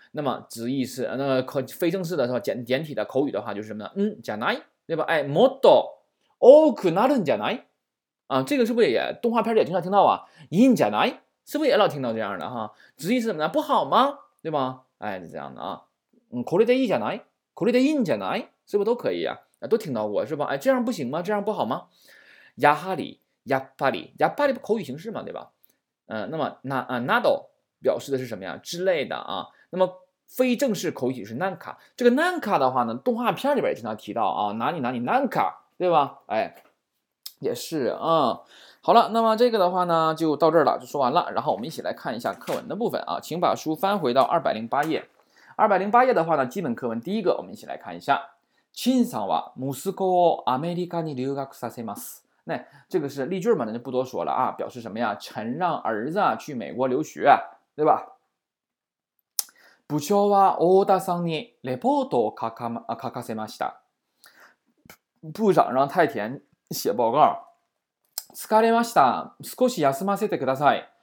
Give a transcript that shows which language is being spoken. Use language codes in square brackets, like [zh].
[zh] 那么直译是那个非正式的是吧？简体的口语的话就是什么呢？嗯，じゃない，对吧？哎，もっと。 [ja] 多くなるんじゃない？ [zh] 啊，这个是不是也动画片里也经常听到啊？ [ja] いいんじゃない？ [zh] 是不是也老听到这样的哈？直译是什么呢？不好吗？对吧？哎，是这样的啊。 [ja] 嗯，これでいいじゃない？これでいいんじゃない？ [zh] 是不是都可以啊？都听到过是吧？哎，这样不行吗？这样不好吗？ [ja] やはり、やっぱり、やっぱり [zh] 口语形式嘛，对吧？那么な、など表示的是什么呀？之类的啊。那么非正式口语形式なんか，这个なんか的话呢，动画片里边也经常提到啊，哪里哪里なんか。对吧，哎，也是啊，嗯。好了，那么这个的话呢就到这儿了，就说完了。然后我们一起来看一下课文的部分啊，请把书翻回到208页。 208页的话呢，基本课文第一个我们一起来看一下。 [ja] 陳さんは息子をアメリカに留学させます。 [zh] 那这个是例句嘛，那就不多说了啊，表示什么呀，陳让儿子去美国留学，对吧。 [ja] 部長は大田さんにレポートを書かせました。 [zh] 部長让太田写报告。 [ja] 疲れました。少し休ませてください。